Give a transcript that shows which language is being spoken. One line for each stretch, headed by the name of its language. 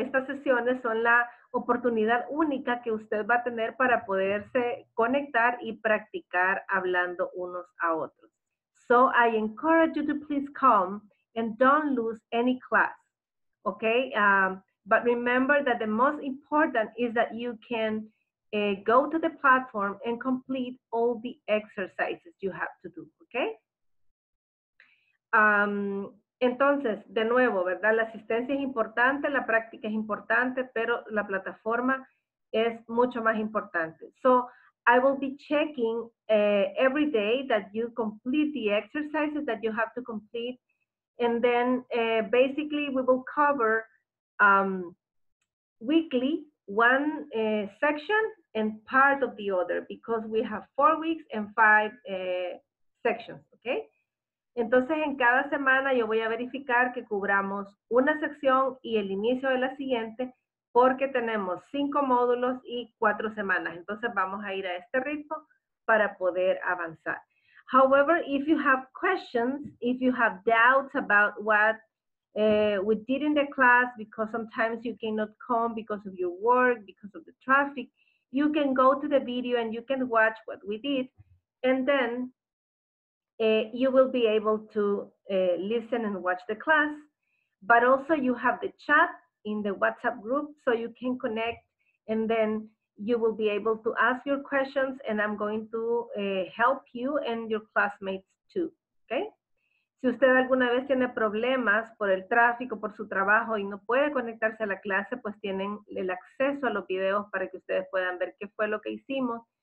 Spanish: Estas sesiones son la oportunidad única que usted va a tener para poderse conectar y practicar hablando unos a otros.
English: So I encourage you to please come and don't lose any class, okay? But remember that the most important is that you can go to the platform and complete all the exercises you have to do, okay?
Spanish: Entonces, de nuevo, ¿verdad? La asistencia es importante, la práctica es importante, pero la plataforma es mucho más importante.
English: So I will be checking every day that you complete the exercises that you have to complete. And then basically we will cover weekly one section and part of the other because we have 4 weeks and 5 sections, okay?
Spanish: Entonces en cada semana yo voy a verificar que cubramos una sección y el inicio de la siguiente, porque tenemos 5 módulos y 4 semanas. Entonces vamos a ir a este ritmo para poder avanzar.
English: However, if you have questions, if you have doubts about what we did in the class, because sometimes you cannot come because of your work, because of the traffic, you can go to the video and you can watch what we did, and then you will be able to listen and watch the class. But also you have the chat in the WhatsApp group, so you can connect, and then you will be able to ask your questions, and I'm going to help you and your classmates too, okay?
Spanish: Si usted alguna vez tiene problemas por el tráfico, por su trabajo, y no puede conectarse a la clase, pues tienen el acceso a los videos para que ustedes puedan ver qué fue lo que hicimos.